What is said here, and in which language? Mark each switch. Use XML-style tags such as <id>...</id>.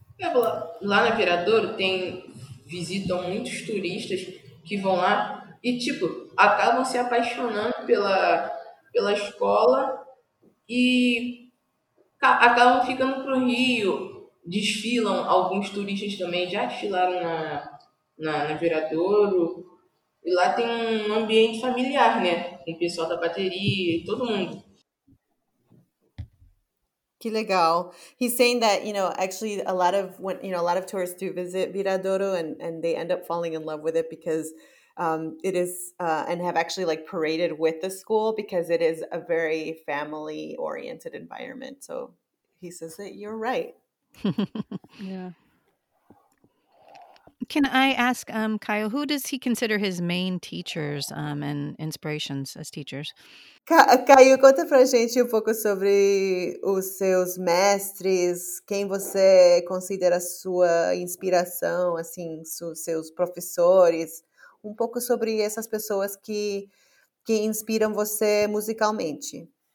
<pt>Lá na Viradouro tem visitam muitos turistas que vão lá e tipo acabam se apaixonando pela escola e acabam ficando pro Rio, desfilam, alguns turistas também já desfilaram na Viradouro. E lá tem um ambiente familiar, né? Com o pessoal da bateria, todo mundo. Que legal.</pt> <en>He's saying that, you know, actually a lot of tourists do visit Viradouro and they end up falling in love with it because it is and have actually like paraded with the school because it is a very family oriented environment. So he says that you're right. Yeah. Can I ask Caio, who does he consider his main teachers and inspirations as teachers?</en> <pt>Caio, conta pra gente um pouco sobre os seus mestres, quem você considera sua inspiração, assim, seus professores, um pouco sobre essas pessoas que inspiram você musicalmente.</pt>